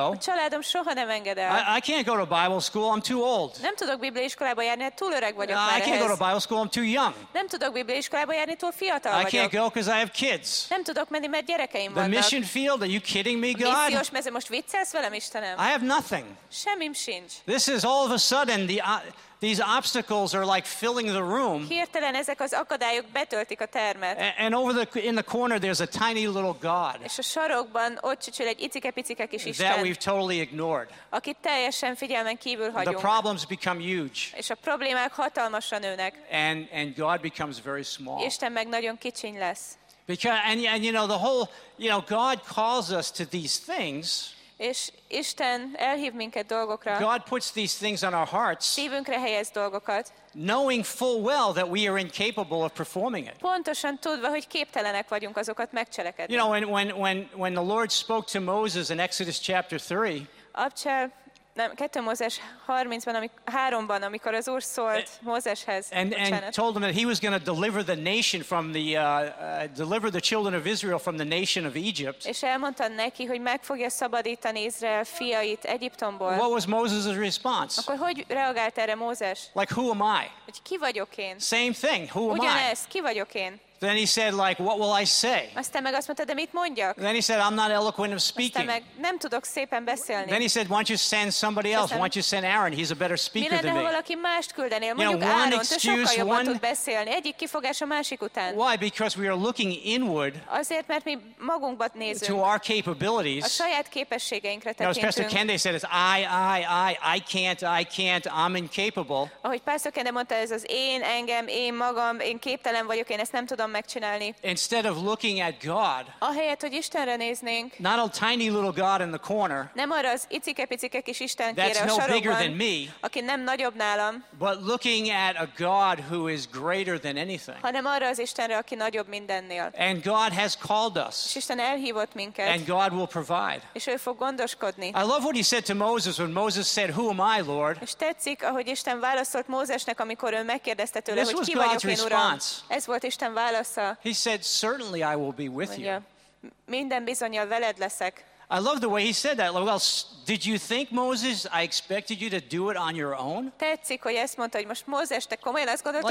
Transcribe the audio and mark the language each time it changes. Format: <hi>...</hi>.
<hu>A családom soha nem enged el.</hu> <en>I can't go to Bible school. I'm too old.</en> <hu>Nem tudok bibliaiskolába járni, hát túl öreg vagyok már ehhez.</hu> <en>I can't go to Bible school. I'm too young.</en> <hu>Nem tudok bibliaiskolába járni, túl fiatal vagyok.</hu> <en>I can't go because I have kids.</en> <hu>Nem tudok menni, mert gyerekeim vannak.</hu> <en>The mission field? Are you kidding me, God?</en> <hu>Missziós mezőn most viccelsz velem, Istenem?</hu> <en>I have nothing.</en> <hu>Semmim sincs.</hu> <en>This is all of a sudden these obstacles are like filling the room.</en> <hu>Hirtelen ezek az akadályok betöltik a termet.</hu> <en>And over the in the corner there's a tiny little god.</en> <hu>És a sarokban ott csücsül egy icike-picike kis Isten.</hu> <en>That we've totally ignored.</en> <hu>Akit teljesen figyelmen kívül hagyunk.</hu> <en>The problems become huge.</en> <hu>És a problémák hatalmasra nőnek.</hu> <en>And God becomes very small.</en> <hu>Isten meg nagyon kicsiny lesz.</hu> <en>Because and you know the whole, you know, God calls us to these things.</en> <hu>És Isten elhív minket dolgokra.</hu> <en>God puts these things on our hearts.</en> <hu>Szívünkre helyez dolgokat.</hu> <en>Knowing full well that we are incapable of performing it.</en> <hu>Pontosan tudva, hogy képtelenek vagyunk azokat megcselekedni.</hu> <en>You know, when the Lord spoke to Moses in Exodus chapter 3.</en> <hu>Kettő Mózes 3-ban, amikor az Úr szólt Mózeshez.</hu> <en>And told him that he was going to deliver the nation from the deliver the children of Israel from the nation of Egypt.</en> <hu>És elmondta neki, hogy meg fogja szabadítani Izrael fiait Egyiptomból.</hu> <en>What was Moses' response?</en> <hu>Akkor hogy reagált erre Mózes?</hu> <en>Like, who am I?</en> <hu>Hogy ki vagyok én?</hu> <en>Same thing. Who am I?</en> <hu>Ugyanez, ki vagyok én?</hu> <en>Then he said, like, what will I say?</en> <hu>Aztán meg azt mondta, de mit mondjak?</hu> <en>Then he said, I'm not eloquent of speaking.</en> <hu>Aztán meg nem tudok szépen beszélni.</hu> <en>Then he said, why don't you send somebody else? Why don't you send Aaron? He's a better speaker than me.</en> <hu>Mi lenne, ha valaki mást küldenél? Mondjuk Aaron, excuse, sokkal jobban tud beszélni. Egyik kifogás a másik után.</hu> <en>Why? Because we are looking inward.</en> <hu>Azért, mert mi magunkba nézünk.</hu> <en>To our capabilities.</en> <hu>A saját képességeinkre tekintünk.</hu> <en>As Pastor Kende said, it's I can't, I'm incapable.</en> <hu>Ahogy Pastor Kende mondta, ez az én, engem, én magam, én képtelen vagyok, én ezt nem tudom.</hu> <en>Instead of looking at God,</en> <hu>ahelyett, hogy Istenre néznénk,</hu> <en>not a tiny little God in the corner,</en> <hu>nem arra az icike-picike kis Isten kére a sarokban,</hu> <en>that's no bigger than me,</en> <hu>aki nem nagyobb nálam,</hu> <en>but looking at a God who is greater than anything,</en> <hu>hanem arra az Istenre, aki nagyobb mindennél.</hu> <en>And God has called us,</en> <hu>és Isten elhívott minket,</hu> <en>and God will provide,</en> <hu>és ő fog gondoskodni.</hu> <en>I love what he said to Moses when Moses said, who am I, Lord?</en> <hu>És tetszik, ahogy Isten válaszolt Mózesnek, amikor ő megkérdezte tőle, hogy ki vagyok én, Uram? Ez volt Isten válasz.</hu> <en>He said, certainly I will be with you.</en> <hu>Minden bizonnyal veled leszek.</hu> <en>I love the way he said that. Well, did you think, Moses, I expected you to do it on your own?</en> <hu>Tetszik, hogy ezt mondta, hogy most Mózes, te komolyan azt gondoltad,</hu>